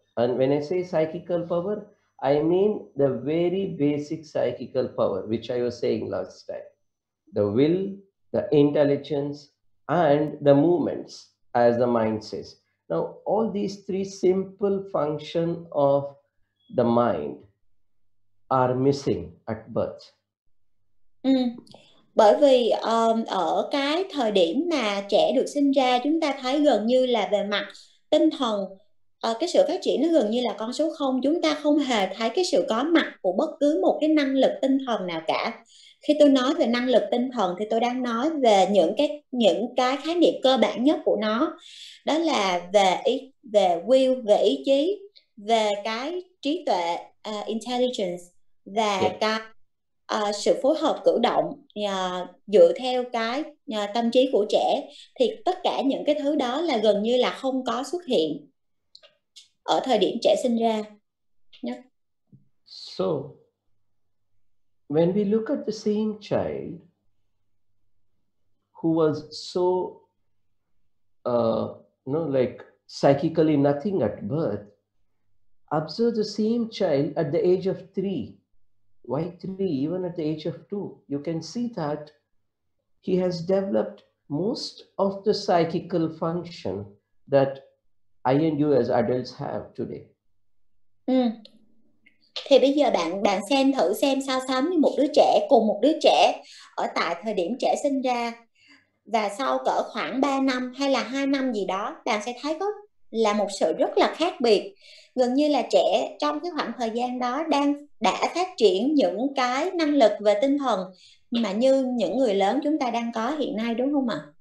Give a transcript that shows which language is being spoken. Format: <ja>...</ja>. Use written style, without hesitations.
<en>And when I say psychical power, I mean the very basic psychical power, which I was saying last time. The will, the intelligence, and the movements, as the mind says. Now, all these three simple functions of the mind are missing at birth.</en> <vi>Bởi vì ở cái thời điểm mà trẻ được sinh ra, chúng ta thấy gần như là về mặt tinh thần cái sự phát triển nó gần như là con số 0. Chúng ta không hề thấy cái sự có mặt của bất cứ một cái năng lực tinh thần nào cả. Khi tôi nói về năng lực tinh thần thì tôi đang nói về những cái khái niệm cơ bản nhất của nó. Đó là về will, về ý chí, về cái trí tuệ, intelligence, và cái sự phối hợp cử động dựa theo cái tâm trí của trẻ. Thì tất cả những cái thứ đó là gần như là không có xuất hiện ở thời điểm trẻ sinh ra.</vi> <en>So, when we look at the same child who was so, like psychically nothing at birth, observe the same child at the age of three. Why three? Even at the age of two, you can see that he has developed most of the psychical function that I and you as adults have today.</en> <vi>Thì bây giờ bạn bạn xem thử xem so sánh với một đứa trẻ cùng một đứa trẻ ở tại thời điểm trẻ sinh ra và sau cỡ khoảng 3 năm hay là 2 năm gì đó, bạn sẽ thấy có là một sự rất là khác biệt. Gần như là trẻ trong cái khoảng thời gian đó đã phát triển những cái năng lực về tinh thần mà như những người lớn chúng ta đang có hiện nay, đúng không ạ?</vi>